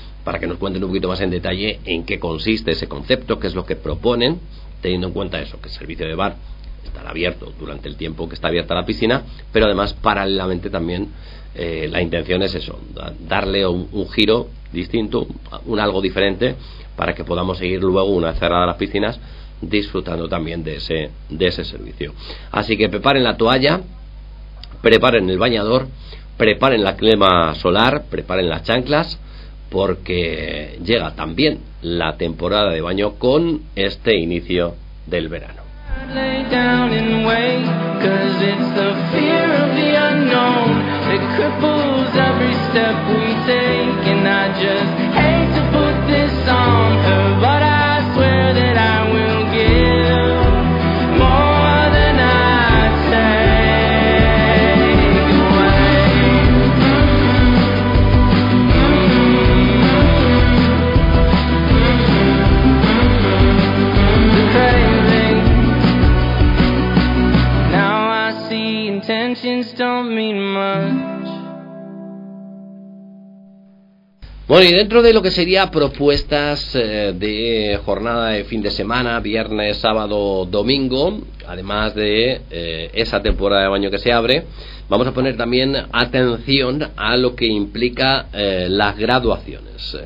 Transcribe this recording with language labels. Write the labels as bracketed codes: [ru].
[es] para que nos cuenten un poquito más en detalle en qué consiste ese concepto, qué es lo que proponen, teniendo en cuenta eso, que el servicio de bar estará abierto durante el tiempo que está abierta la piscina, pero además paralelamente también la intención es eso, darle un giro distinto, un algo diferente, para que podamos seguir luego, una vez cerradas las piscinas, disfrutando también de ese servicio. Así que preparen la toalla, preparen el bañador, preparen la crema solar, preparen las chanclas, porque llega también la temporada de baño con este inicio del verano. [en] Lay down and wait, 'cause it's the fear of the unknown that cripples every step we take, and I just hate to put this on her, but I swear that I will give more than I take away. The craving. Now I see intentions don't mean much. [es] Bueno, y dentro de lo que sería propuestas de jornada de fin de semana, viernes, sábado, domingo, además de esa temporada de baño que se abre, vamos a poner también atención a lo que implica las graduaciones.